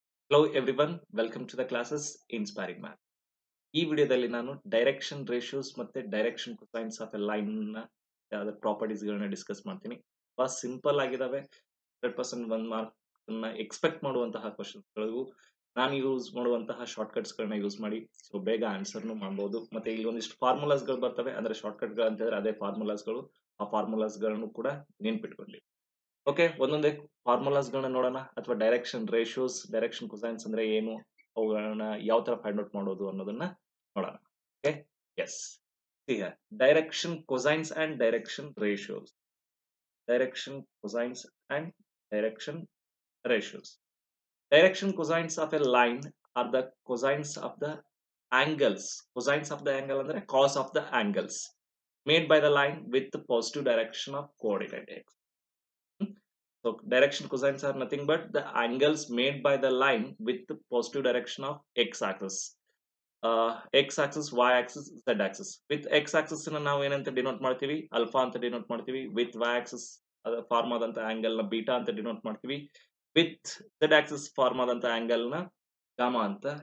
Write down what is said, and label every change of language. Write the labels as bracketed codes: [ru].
[en] Hello everyone, welcome to the classes Inspiring Math. [kn] ಈ ವಿಡಿಯೋದಲ್ಲಿ ನಾನು ಡೈರೆಕ್ಷನ್ ರೇಷಿಯೋಸ್ ಮತ್ತೆ direction cosines of A line ಯಾವ್ದು ಪ್ರಾಪರ್ಟೀಸ್ ಗಳನ್ನ ಡಿಸ್ಕಸ್ ಮಾಡ್ತೀನಿ. ಬಹಳ ಸಿಂಪಲ್ ಆಗಿದಾವೆ, 100% ಒಂದ್ ಮಾರ್ಕ್ ಅನ್ನ ಎಕ್ಸ್ಪೆಕ್ಟ್ ಮಾಡುವಂತಹ ಕ್ವಶನ್ಸ್ ಗಳಿಗೂ ನಾನು ಯೂಸ್ ಮಾಡುವಂತಹ ಶಾರ್ಟ್ ಕಟ್ಸ್ ಗಳನ್ನ ಯೂಸ್ ಮಾಡಿ ಸೊ ಬೇಗ ಆನ್ಸರ್ನು ಮಾಡಬಹುದು. ಮತ್ತೆ ಇಲ್ಲಿ ಒಂದಿಷ್ಟು ಫಾರ್ಮುಲಾಸ್ ಗಳು ಬರ್ತವೆ, ಅಂದ್ರೆ ಶಾರ್ಟ್ ಕಟ್ ಗಳು ಅಂತ ಹೇಳಿದ್ರೆ ಅದೇ ಫಾರ್ಮುಲಾಸ್ ಗಳು, ಆ ಫಾರ್ಮುಲಾಸ್ ಗಳನ್ನು ಕೂಡ ನೆನ್ಪಿಟ್ಕೊಂಡಿ. ಓಕೆ, ಒಂದೊಂದೇ ಫಾರ್ಮುಲಾಸ್ ಗಳನ್ನ ನೋಡೋಣ, ಅಥವಾ ಡೈರೆಕ್ಷನ್ ರೇಷಿಯೋಸ್, ಡೈರೆಕ್ಷನ್ ಕೊಸೈನ್ಸ್ ಅಂದ್ರೆ ಏನು, ಅವುಗಳನ್ನ ಯಾವ ತರ ಫೈಂಡ್ ಔಟ್ ಮಾಡೋದು ಅನ್ನೋದನ್ನ ನೋಡೋಣ. [en] Okay, yes, direction cosines and direction ratios, direction cosines and direction ratios. Direction cosines of a line are the cosines of the angles. Cosines of the angle ಅಂದ್ರೆ cos of the angles made by the line with positive direction of coordinate X. So, direction cosines are nothing but the angles made by the line with the positive direction of x-axis. X-axis, y-axis, z-axis. With x-axis, we denote alpha, with y-axis, form of the angle, beta, with z-axis, form of the angle, gamma.